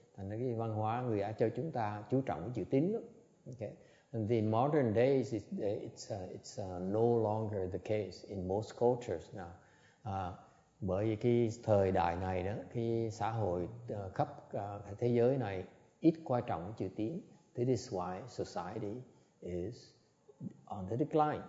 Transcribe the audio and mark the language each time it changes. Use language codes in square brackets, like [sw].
[vi] Thành ra cái văn hóa người Á Châu chúng ta chú trọng cái chữ tín lắm. [en] Okay. In the modern days it's no longer the case in most cultures now. [vi] Bởi vì cái thời đại này đó, cái xã hội khắp thế giới này ít quan trọng chữ tín. [en] That is why society is on the decline.